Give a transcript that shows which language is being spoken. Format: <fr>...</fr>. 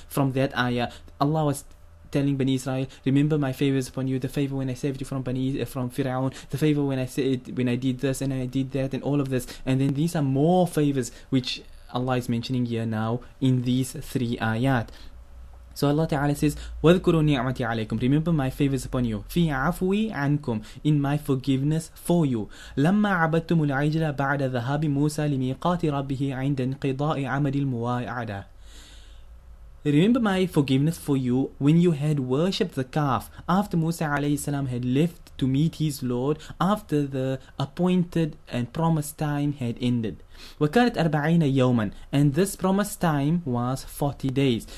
<en>From that ayat, Allah was telling Bani Israel, remember my favors upon you, the favor when I saved you from Fir'aun, the favor when I did this and I did that and all of this. And then these are more favors which Allah is mentioning here now in these three ayat. So Allah Ta'ala says,</en> <ar>وَذْكُرُوا نِعْمَتِي عَلَيْكُمْ,</ar> <en>remember my favors upon you,</en> <ar>فِي عَفْوِي عَنْكُمْ,</ar> <en>in my forgiveness for you,</en> <ar>لَمَّا عَبَدْتُمُ الْعِجْلَ بَعْدَ ذَهَابِ مُوسَى لِمِيقَاتِ رَبِّهِ عِنْدَ انْقِضَاءِ عَمَدِ الْمُوَاعَدَةِ.</ar> <en>Remember my forgiveness for you when you had worshipped the calf after Musa alayhi salam had left to meet his Lord after the appointed and promised time had ended.</en> <ar>وَكَانَتْ 40 يَوْمًا,</ar> <en>and this promised time was 40 days.</en>